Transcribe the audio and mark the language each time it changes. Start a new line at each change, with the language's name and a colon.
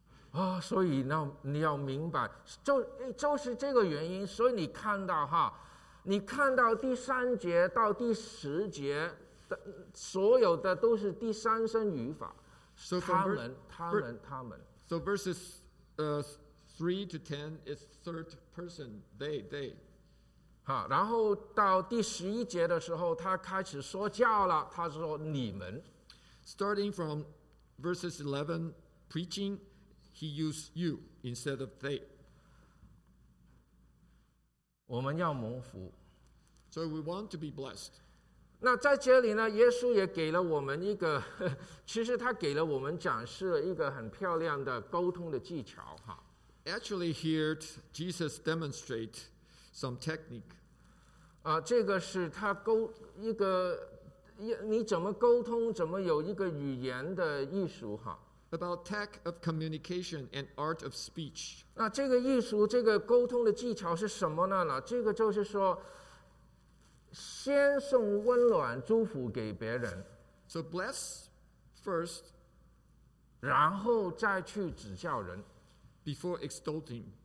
Chinese: 哦、所以你要明白 就是这个原因，所以你看到哈，你看到第三节到第十节的所有的都是第三声语法、
English: so、
Chinese: 他们
English: So verses 3 to 10 is third person they
Chinese: 好，然后到第十一节的时候他开始说教了，他说你们
English: Starting from verses 11 preachingHe used you instead of they.
Chinese: 我们要蒙福。
English: So we want to be blessed.
Chinese: 那在这里呢，耶稣也给了我们一个，其实他给了我们展示了一个很漂亮的沟通的技巧。
English: Actually, here Jesus demonstrate some technique.
Chinese: 啊，这个是他沟一个，你怎么沟通，怎么有一个语言的艺术哈。
English: About tech of communication and art of speech.
Chinese: 那这个艺术，这个沟通的技巧是什么呢？这个就是说，先送温暖祝福给别人。
English: So bless first.
Chinese: 然后再去指教人。
English: Before extolling.